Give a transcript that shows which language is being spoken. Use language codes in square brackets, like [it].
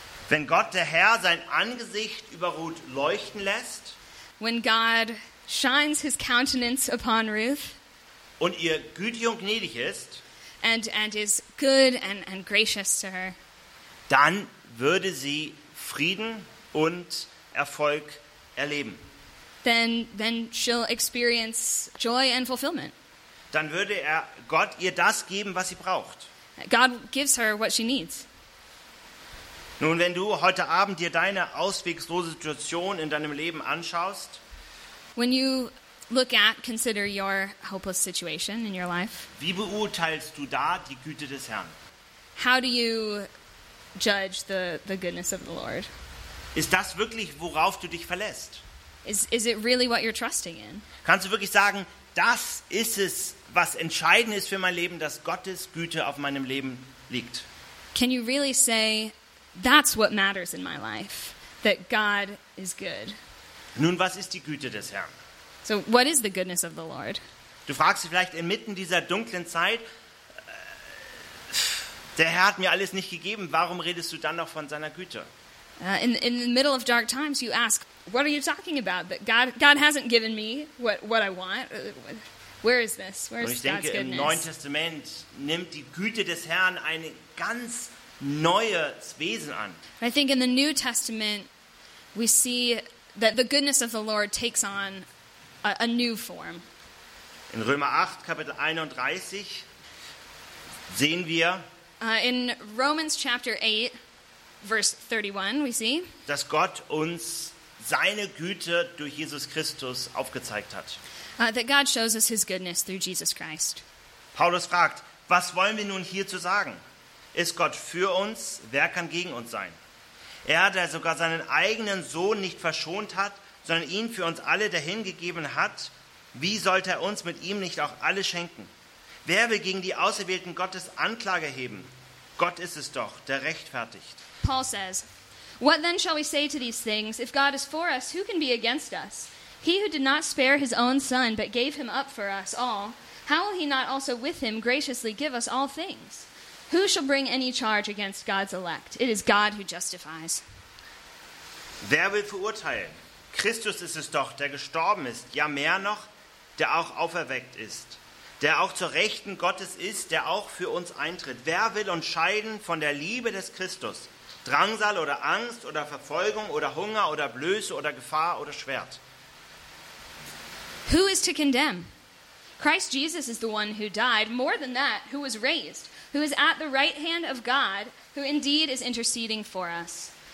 [de] Wenn Gott der Herr sein Angesicht über Ruth leuchten lässt, [en] when God shines his countenance upon Ruth, [de] und ihr gütig und gnädig ist, [en] and is good and gracious to her, [de] dann würde sie Frieden und Erfolg erleben. [en] then she'll experience joy and fulfillment. [de] Dann würde er Gott ihr das geben, was sie braucht. [en] God gives her what she needs. [de] Nun, wenn du heute Abend dir deine ausweglose Situation in deinem Leben anschaust, [en] when you look at, consider your hopeless situation in your life, [de] wie beurteilst du da die Güte des Herrn? [en] How do you judge the goodness of the Lord? [de] Ist das wirklich, worauf du dich verlässt? [en] Is it really what you're trusting in? [de] Kannst du wirklich sagen, das ist es, was entscheidend ist für mein Leben, dass Gottes Güte auf meinem Leben liegt? [en] Can you really say, that's what matters in my life, that God is good? [de] Nun, was ist die Güte des Herrn? [en] So, what is the goodness of the Lord? [de] Du fragst dich vielleicht inmitten dieser dunklen Zeit, der Herr hat mir alles nicht gegeben, warum redest du dann noch von seiner Güte? [en] In the middle of dark times, you ask, what are you talking about? That God hasn't given me what I want. Where is this? Where is God's goodness? [de] Und ich denke, im Neuen Testament nimmt die Güte des Herrn ein ganz neues Wesen an. [en] I think in the New Testament, we see that the goodness of the Lord takes on a new form. [de] In Römer 8, Kapitel 31, sehen wir, [en] in Romans chapter 8, verse 31, we see, [de] dass Gott uns seine Güte durch Jesus Christus aufgezeigt hat. [en] That God shows us his goodness through Jesus Christ. [de] Paulus fragt, was wollen wir nun hierzu sagen? Ist Gott für uns? Wer kann gegen uns sein? Er, der sogar seinen eigenen Sohn nicht verschont hat, sondern ihn für uns alle dahingegeben hat, wie sollte er uns mit ihm nicht auch alle schenken? Wer will gegen die Auserwählten Gottes Anklage heben? Gott ist es doch, der rechtfertigt. [en] Paul says, what then shall we say to these things? If God is for us, who can be against us? He who did not spare his own son, but gave him up for us all, how will he not also with him graciously give us all things? Who shall bring any charge against God's elect? It is God who justifies. [de] Wer will verurteilen? Christus ist es doch, der gestorben ist, ja mehr noch, der auch auferweckt ist, der auch zur Rechten Gottes ist, der auch für uns eintritt. Wer will uns scheiden von der Liebe des Christus? Drangsal oder Angst oder Verfolgung oder Hunger oder Blöße oder Gefahr oder Schwert? [en] Who is to condemn? Christ Jesus is the one who died, more than that, who was raised, who is at the right hand of God, who indeed is interceding for us.